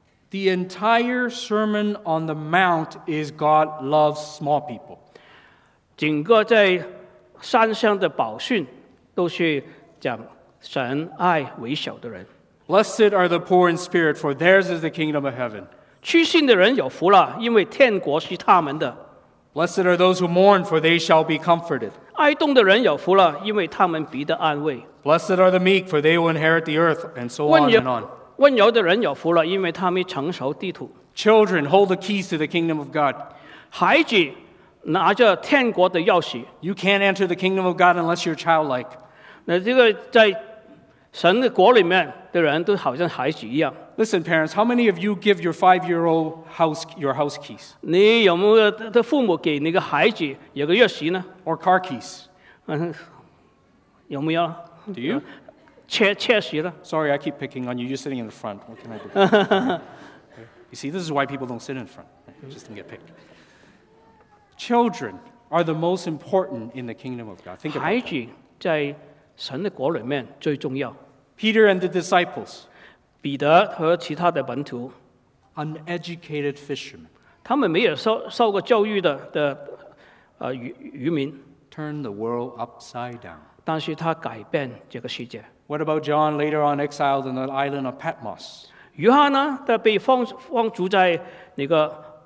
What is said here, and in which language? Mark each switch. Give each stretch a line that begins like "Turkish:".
English: The entire Sermon on the Mount is God loves small people.
Chinese: 整个在山上的宝训都是讲神爱微小的人。
English: Blessed are the poor in spirit, for theirs is the kingdom of heaven.
Chinese: 屈心的人有福了，因为天国是他们的。
English: Blessed are those who mourn, for they shall be comforted.
Chinese: 哀痛的人有福了，因为他们必得安慰。
English: Blessed are the meek, for they will inherit the earth, and so on and on.
Chinese: 温柔的人有福了，因为他们承受地土。
English: Children, hold the keys to the kingdom of God.
Chinese: 孩子拿着天国的钥匙。
English: You can't enter the kingdom of God unless you're childlike.
Chinese: 那这个在神的国里面的人都好像孩子一样。
English: Listen, parents, how many of you give your five-year-old house your house keys?
Chinese: 你有没有的父母给你个孩子有个钥匙呢
English: ？Or car keys?
Chinese: 有没有
English: ？Do you?
Chinese: 确实了。
English: Sorry, I keep picking on you. You're sitting in the front. What can I do? You see, this is why people don't sit in front. Just to get picked. Children are the most important in the kingdom of God. Think about it.
Chinese: 孩子在神的国里面最重要。
English: Peter and the disciples.
Chinese: 彼得和其他的门徒。
English: Uneducated fishermen.
Chinese: 他们没有受过教育的渔民。
English: Turn the world upside down.
Chinese: 但是他改变这个世界。
English: What about John later on exiled on the island of Patmos?
Chinese: 约翰呢，他被放逐在那个